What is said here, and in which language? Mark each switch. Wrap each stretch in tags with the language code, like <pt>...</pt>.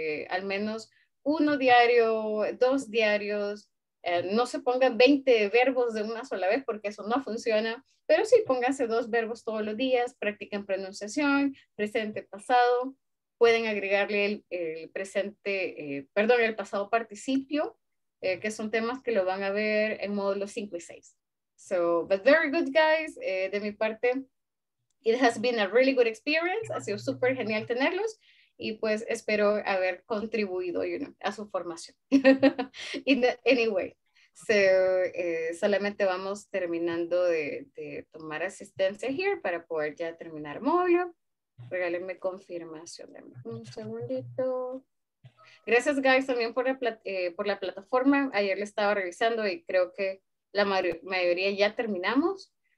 <es>Al menos uno diario, dos diarios, no se pongan 20 verbos de una sola vez porque eso no funciona, pero sí pónganse dos verbos todos los días, practiquen pronunciación, presente, pasado, pueden agregarle el pasado participio, que son temas que lo van a ver en módulos 5 y 6.</es> <en>So, but very good guys,</en> <es>de mi parte,</es> <en>it has been a really good experience,</en> <es>ha sido súper genial tenerlos. Y pues espero haber contribuido,</es> <en>you know,</en> <es>a su formación. Anyway, so, solamente vamos terminando de tomar asistencia here para poder ya terminar módulo. Regálenme confirmación. Un segundito. Gracias, guys, también por la plataforma. Ayer le estaba revisando y creo que la mayoría ya terminamos.</es>